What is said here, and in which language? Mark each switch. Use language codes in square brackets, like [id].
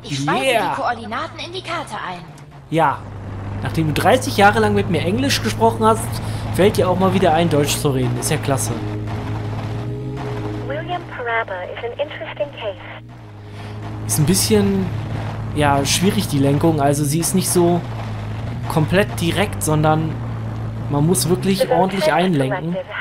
[de] Ich schreibe die Koordinaten in die Karte ein. Ja. Nachdem du 30 Jahre lang mit mir Englisch gesprochen hast, fällt dir auch mal wieder ein, Deutsch zu reden. Ist ja klasse. [en] William Paraba is an interesting case. [de] Ist ein bisschen, ja, schwierig, die Lenkung. Also sie ist nicht so komplett direkt, sondern man muss wirklich ordentlich einlenken.